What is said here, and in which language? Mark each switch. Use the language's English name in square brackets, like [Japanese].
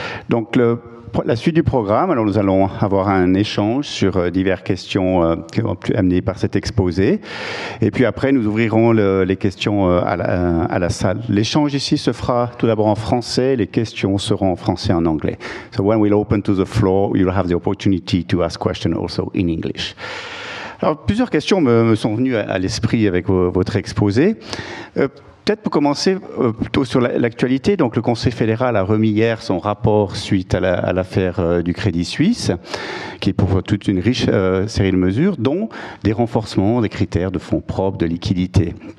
[French] Donc, la suite du programme, alors nous allons avoir un échange sur diverses questions qui vont être amenées par cet exposé. Et puis après, nous ouvrirons les questions à la salle. L'échange ici se fera tout d'abord en français. Les questions seront en français et en anglais. [English] So when we'll open to the floor, you'll have the opportunity to ask questions also in English. [French] Alors, plusieurs questions me sont venues à l'esprit avec votre exposé. Peut-être pour commencer plutôt sur l'actualité, donc le Conseil fédéral a remis hier son rapport suite à l'affaire du Crédit Suisse, qui est pour toute une riche série de mesures, dont des renforcements des critères de fonds propres, de liquidité.